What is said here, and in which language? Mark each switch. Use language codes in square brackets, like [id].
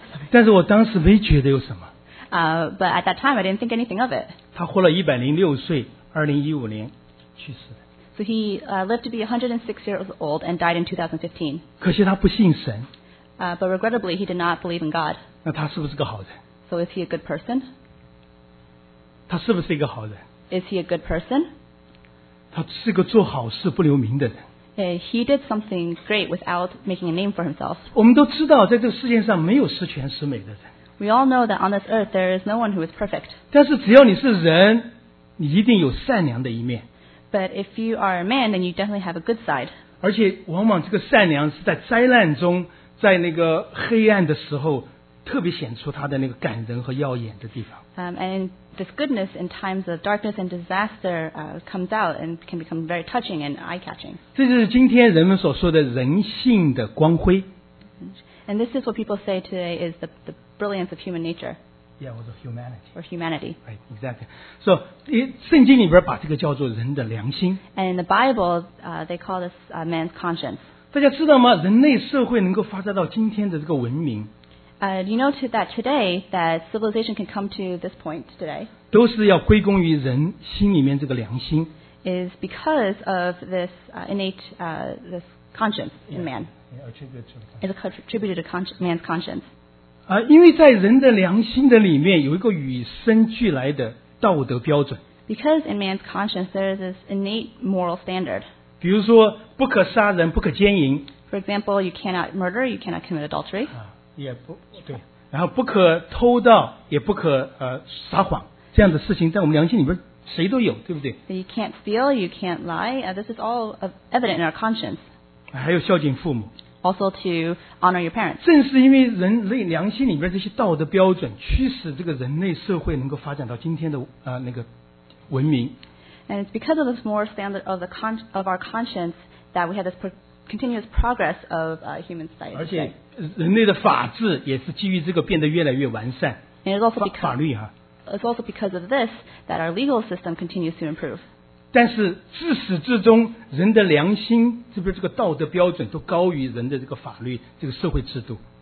[zh] 但是我当时没觉得有什么。 [en] But at that time I didn't think anything of it. [zh] 他活了106岁，2015年去世的。 [en] So he lived to be 106 years old and died in 2015. [zh] 可惜他不信神。 [en] But regrettably, he did not believe in God. [zh] 那他是不是个好人？ [en] So is he a good person? [zh] 他是不是一个好人？ [en] Is he a good person? [zh] 他是个做好事不留名的人。 [en] He did something great without making a name for himself. [zh] 我们都知道在这个世界上没有十全十美的人。 [en] We all know that on this earth, there is no one who is perfect. [zh] 但是只要你是人，你一定有善良的一面。 [en] But if you are a man, then you definitely have a good side. [zh] 而且往往这个善良是在灾难中，在那个黑暗的时候，特别显出他的那个感人和耀眼的地方。 [en] And this goodness in times of darkness and disaster comes out and can become very touching and eye-catching. [zh] 这就是今天人们所说的人性的光辉。 [en] And this is what people say today is the brilliance of human nature. Yeah, was a humanity. Or humanity. Right, exactly. [zh] So, 圣经里边把这个叫做人的良心。 [en] And in the Bible, they call this man's conscience. [zh] 大家知道吗？人类社会能够发展到今天的这个文明。 [en] You know that today, that civilization can come to this point today. [zh] 都是要归功于人心里面这个良心。 [en] Is because of this innate this conscience in man. Yeah, attributed to man's conscience. [zh] 因为在人的良心的里面有一个与生俱来的道德标准。 [en] Because in man's conscience there is this innate moral standard. [zh] 比如说不可杀人，不可奸淫。 [en] For example, you cannot murder, you cannot commit adultery. [zh] 对，然后不可偷盗，也不可撒谎，这样的事情在我们良心里面谁都有，对不对？ [en] So you can't steal, you can't lie. This is all evident in our conscience. [zh] 还有孝敬父母。 [en] Also to honor your parents. [zh] 正是因为人类良心里面这些道德标准，驱使这个人类社会能够发展到今天的那个文明。 [en] And it's because of this moral standard of the of our conscience that we have this continuous progress of human society. [zh] 而且人类的法治也是基于这个变得越来越完善。 [en] And it's also because [zh] 法律哈。 [en] It's also because of this that our legal system continues to improve. [zh] 但是自始至终人的良心这边这个道德标准都高于人的这个法律这个社会制度。